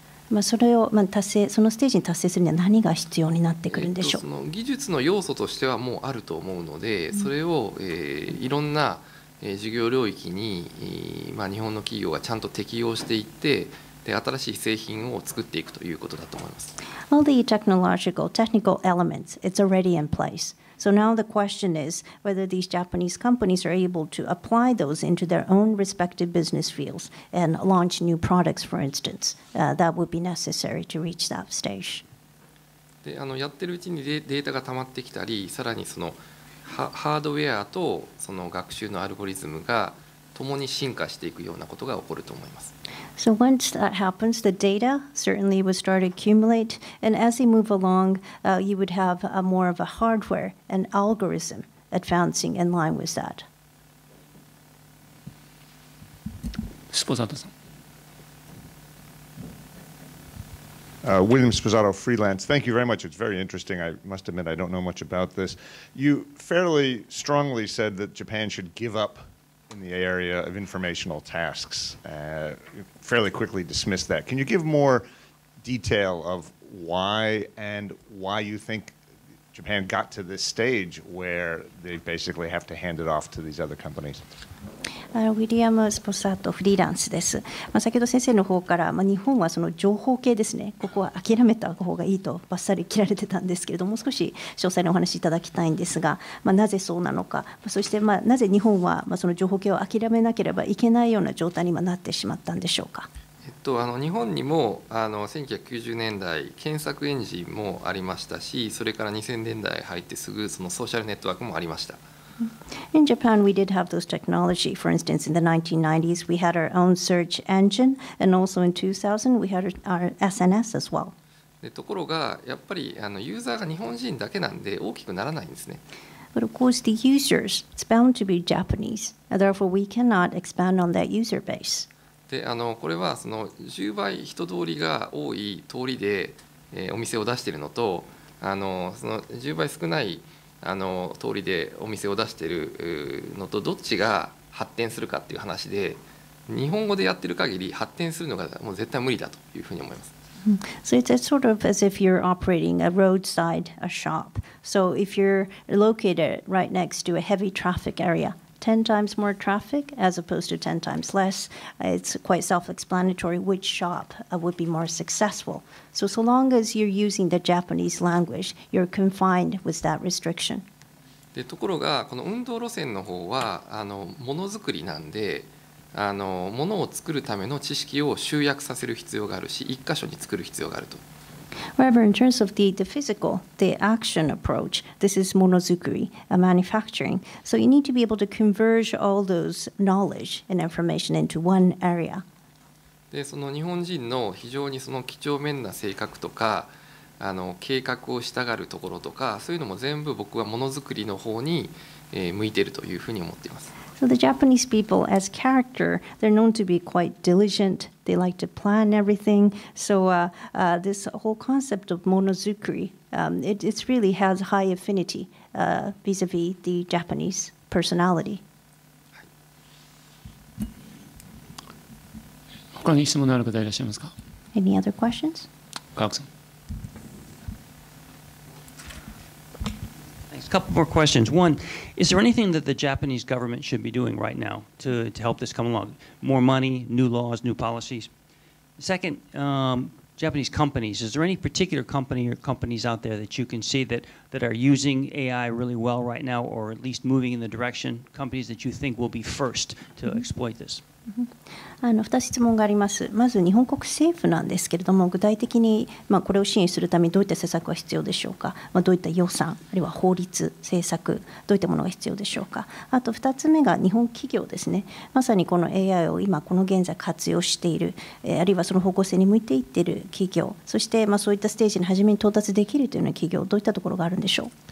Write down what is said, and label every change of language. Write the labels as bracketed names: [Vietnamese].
[Japanese] まあ、それを、まあ、達成、そのステージに達成するには何が必要になってくるんでしょう。その技術の要素としてはもうあると思うので、それを、いろんな事業領域に、まあ、日本の企業がちゃんと適用していって、で新しい製品を作っていくということだと思います。 [English] All the technological, technical elements, it's already in place. So now the question is whether these Japanese companies are able to apply those into their own respective business fields and launch new products, for instance, that would be necessary to reach that stage. [Japanese] で、あのやってるうちにデータが溜まってきたり、さらにそのハードウェアとその学習のアルゴリズムが共に進化していくようなことが起こると思います。 [English] So once that happens, the data certainly will start to accumulate, and as they move along, you would have a more of a hardware and algorithm advancing in line with that. [Japanese] Sposato さん。 [English] William Sposato, freelance. Thank you very much. It's very interesting. I must admit, I don't know much about this. You fairly strongly said that Japan should give up in the area of informational tasks, fairly quickly dismiss that. Can you give more detail of why and why you think Japan got to this stage where they basically have to hand it off to these other companies? [Japanese] ウィリアム・スポサート、フリーランスです。まあ、先ほど先生の方から、まあ、日本はその情報系ですね、ここは諦めた方がいいとバッサリ切られてたんですけれども、もう少し詳細にお話しいただきたいんですが、まあ、なぜそうなのか、そしてまあなぜ日本はまあその情報系を諦めなければいけないような状態に今なってしまったんでしょうか。あの日本にもあの1990年代、検索エンジンもありましたし、それから2000年代入ってすぐ、そのソーシャルネットワークもありました。 [English] In Japan, we did have those technology. For instance, in the 1990s, we had our own search engine, and also in 2000, we had our SNS as well. [Japanese] ところがやっぱりあのユーザーが日本人だけなんで大きくならないんですね。 [English] But of course, the users, it's bound to be Japanese. Therefore, we cannot expand on that user base. [Japanese] で、あのこれはその10倍人通りが多い通りで、お店を出しているのと、あのその10倍少ないあの通りでお店を出しているのとどっちが発展するかっていう話で、日本語でやってる限り発展するのがもう絶対無理だというふうに思います。 [English] So it's sort of as if you're operating a roadside a shop. So if you're located right next to a heavy traffic area, 10 times more traffic as opposed to 10 times less, it's quite self-explanatory which shop would be more successful. So, so long as you're using the Japanese language, you're confined with that restriction. [Japanese] で、ところが、この運動路線の方は、あの、ものづくりなんで、あの、ものを作るための知識を集約させる必要があるし、一箇所に作る必要があると。 [English] However, in terms of the physical, the action approach, this is monozukuri, a manufacturing. So you need to be able to converge all those knowledge and information into one area. [Japanese] で、その日本人の非常にその几帳面な性格とか、あの計画をしたがるところとか、そういうのも全部僕はものづくりの方に向いているというふうに思っています。 [English] So the Japanese people, as character, they're known to be quite diligent. They like to plan everything. So this whole concept of monozukuri, it really has high affinity vis-à-vis the Japanese personality. [Japanese] 他に質問のある方いらっしゃいますか? [English] Any other questions? [Japanese] 川口さん。 [English] A couple more questions. One, is there anything that the Japanese government should be doing right now to help this come along? More money, new laws, new policies? Second, Japanese companies, is there any particular company or companies out there that you can see that are using AI really well right now, or at least moving in the direction, companies that you think will be first to exploit this? [Japanese] あの2つ質問があります。まず日本国政府なんですけれども、具体的にまあこれを支援するためにどういった施策が必要でしょうか、まあ、どういった予算あるいは法律政策どういったものが必要でしょうか。あと2つ目が日本企業ですね。まさにこの AI を今この現在活用しているあるいはその方向性に向いていっている企業、そしてまあそういったステージに初めに到達できるというような企業、どういったところがあるんでしょう。